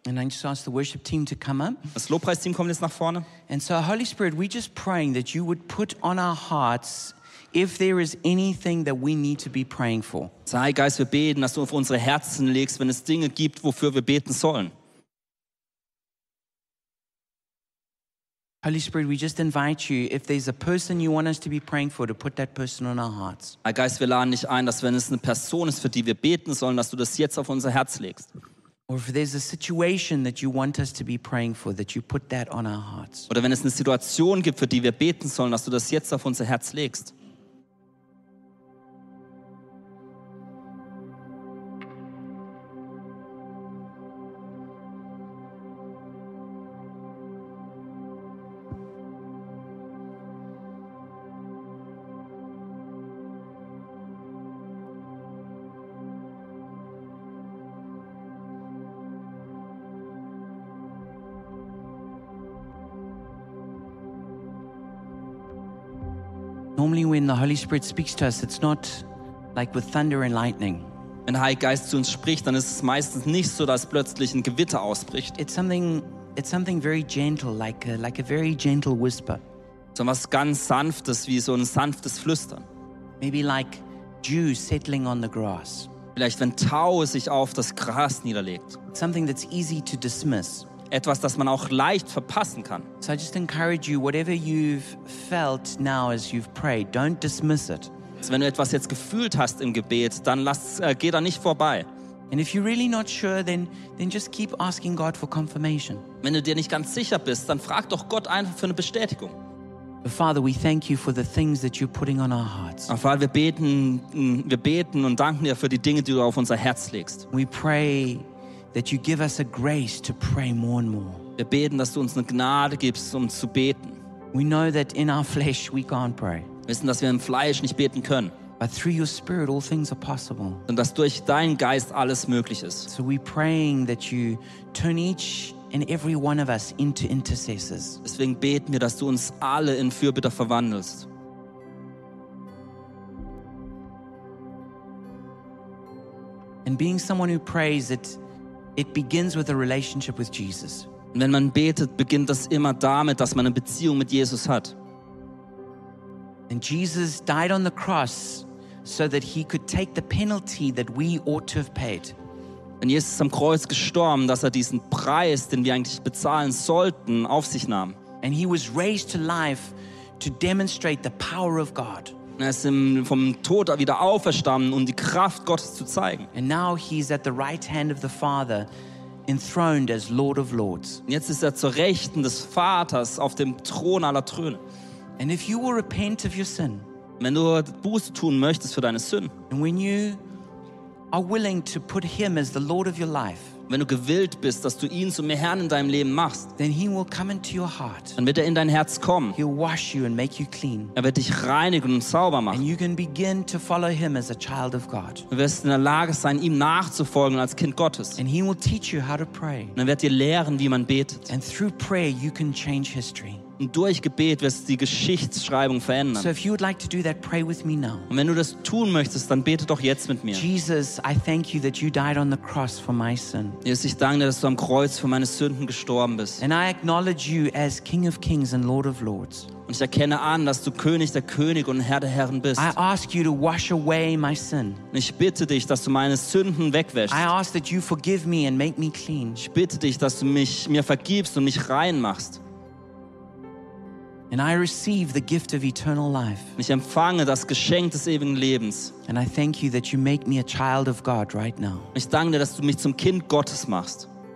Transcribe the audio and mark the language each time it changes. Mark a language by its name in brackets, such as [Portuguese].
[English] And I just ask the worship team to come up. [German] Das Lobpreisteam kommt jetzt nach vorne. [English] And so Holy Spirit, we just praying that you would put on our hearts if there is anything that we need to be praying for. [German] Sei Geist, wir beten, dass du auf unsere Herzen legst, wenn es Dinge gibt, wofür wir beten sollen. [English] Holy Spirit, we just invite you, if there's a person you want us to be praying for, to put that person on our hearts. [German] Sei Geist, wir laden dich ein, dass wenn es eine Person ist, für die wir beten sollen, dass du das jetzt auf unser Herz legst. [English] Or if there's a situation that you want us to be praying for, that you put that on our hearts. [German] Oder wenn es eine Situation gibt, für die wir beten sollen, dass du das jetzt auf unser Herz legst. [English] Normally when the Holy Spirit speaks to us, it's not like with thunder and lightning. [German] Wenn der Heilige Geist zu uns spricht, dann ist es meistens nicht so, dass plötzlich ein Gewitter ausbricht. [English] It's something very gentle, like a very gentle whisper. [German] So was ganz Sanftes, wie so ein sanftes Flüstern. [English] Maybe like dew settling on the grass. [German] Vielleicht wenn Tau sich auf das Gras niederlegt. [English] Something that's easy to dismiss. [German] Etwas, das man auch leicht verpassen kann. [English] So I just encourage you, whatever you've felt now as you've prayed, don't dismiss it. [German] Also wenn du etwas jetzt gefühlt hast im Gebet, dann geh da nicht vorbei. [English] And if you're really not sure, then just keep asking God for confirmation. [German] Wenn du dir nicht ganz sicher bist, dann frag doch Gott einfach für eine Bestätigung. [English] Father, we thank you for the things that you're putting on our hearts. [German] Vater, wir beten und danken dir für die Dinge, die du auf unser Herz legst. [English] We pray that you give us a grace to pray more and more. [German] Wir beten, dass du uns eine Gnade gibst, um zu beten. [English] We know that in our flesh we can't pray. [German] Wir wissen, dass wir im Fleisch nicht beten können. [English] But through your spirit all things are possible. [German] Und dass durch deinen Geist alles möglich ist. [English] So we're praying that you turn each and every one of us into intercessors. [German] Deswegen beten wir, dass du uns alle in Fürbitter verwandelst. [English] And being someone who prays, it begins with a relationship with Jesus. [German] Und wenn man betet, beginnt das immer damit, dass man eine Beziehung mit Jesus hat. [English] And Jesus died on the cross so that he could take the penalty that we ought to have paid. [German] Und Jesus ist am Kreuz gestorben, dass er diesen Preis, den wir eigentlich bezahlen sollten, auf sich nahm. [English] And he was raised to life to demonstrate the power of God. [German] Er ist vom Tod wieder auferstanden, um die Kraft Gottes zu zeigen. [English] And now he's at the right hand of the Father, enthroned as Lord of Lords. [German] Und jetzt ist er zur Rechten des Vaters auf dem Thron aller Throne. [English] And if you will repent of your sin, [German] wenn du Buße tun möchtest für deine Sünden, [English] and when you are willing to put him as the Lord of your life, [German] wenn du gewillt bist, dass du ihn zum Herrn in deinem Leben machst, [English] then he will come into your heart. [German] Dann wird er in dein Herz kommen. [English] He'll wash you and make you clean. [German] Er wird dich reinigen und sauber machen. [English] And you can begin to follow him as a child of God. [German] Du wirst in der Lage sein, ihm nachzufolgen als Kind Gottes. [English] And he will teach you how to pray. [German] Und er wird dir lehren, wie man betet. [English] And through prayer you can change history. [German] Und durch Gebet wirst du die Geschichtsschreibung verändern. [English] So if you would like to do that, pray with me now. [German] Und wenn du das tun möchtest, dann bete doch jetzt mit mir. [English] Jesus, I thank you that you died on the cross for my sin. [German] Jesus, ich danke dir, dass du am Kreuz für meine Sünden gestorben bist. [English] And I acknowledge you as King of Kings and Lord of Lords. [German] Und ich erkenne an, dass du König der Könige und Herr der Herren bist. [English] I ask you to wash away my sin. [German] Ich bitte dich, dass du meine Sünden wegwäschst. [English] I ask that you forgive me and make me clean. [German] Ich bitte dich, dass du mir vergibst und mich rein machst. [English] And I receive the gift of eternal life. [German] Ich empfange das Geschenk des ewigen Lebens. [English] And I thank you that you make me a child of God right now. [German] Ich danke dir, dass du mich zum Kind Gottes machst.